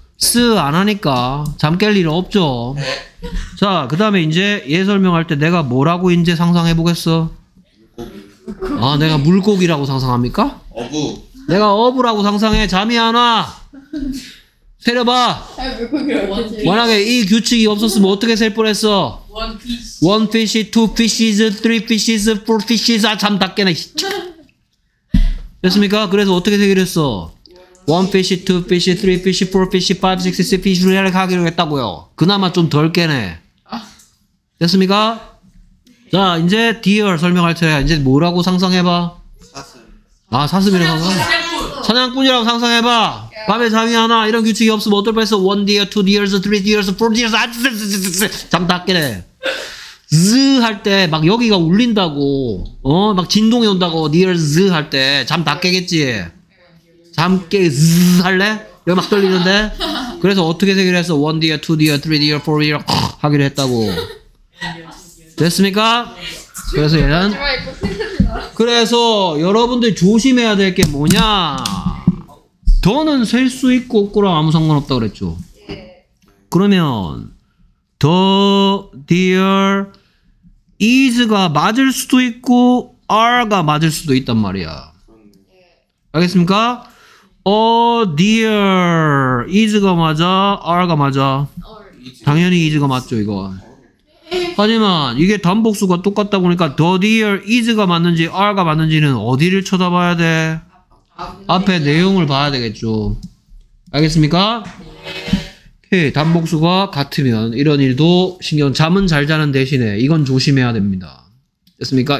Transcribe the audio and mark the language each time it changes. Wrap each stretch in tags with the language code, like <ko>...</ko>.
<ko>쓰 안 하니까 잠 깰 일 없죠 자 그 다음에 이제 얘 설명할 때 내가 뭐라고 이제 상상해 보겠어 아 내가 물고기라고 상상합니까 어부 내가 어부라고 상상해 잠이 안 와 세려봐 아니, 물고기라고 만약에 이 규칙이 없었으면 어떻게 셀 뻔했어 뭐야</ko> <en>One fish, two fishes, three fishes, four fishes.</en> <ko>아, 잠 다 깨네. 됐습니까? 그래서 어떻게 세기로 했어?</ko> <en>One fish, two fish, three fish, four fish, five, six, six fish를</en> <ko>하기로 했다고요. 그나마 좀 덜 깨네. 됐습니까? 자, 이제 deer 설명할 차례야. 이제 뭐라고 상상해봐? 사슴. 아, 사슴이라고 상상해. 사냥꾼이라고 상상해봐. 밤에 잠이 안 와. 이런 규칙이 없으면 어떨 뻔했어?</ko> <en>One deer, two deers, three deers, four deers.</en> <ko>아, 잠 다 깨네. 즈 할 때 막 여기가 울린다고. 어? 막 진동이 온다고. 니얼즈 할 때 잠 다 깨겠지. 잠 깨 즈 할래? 여기 막 떨리는데. 그래서 어떻게 세기로 했어? 1 디어 2 디어 3 디어 4 디어 하기로 했다고. 됐습니까? 그래서 얘는 그래서 여러분들 조심해야 될 게 뭐냐? 더는 셀 수 있고 없고랑 아무 상관없다 그랬죠. 그러면 더 디어 is가 맞을 수도 있고 are가 맞을 수도 있단 말이야. 알겠습니까? a deer is가 맞아? are가 맞아? 당연히 is가 맞죠 이거. 하지만 이게 단복수가 똑같다 보니까 the deer is가 맞는지 are가 맞는지는 어디를 쳐다봐야 돼? 앞에 내용을 봐야 되겠죠. 알겠습니까? 예, 단복수가 같으면 이런 일도 신경, 잠은 잘 자는 대신에 이건 조심해야 됩니다. 됐습니까?</ko>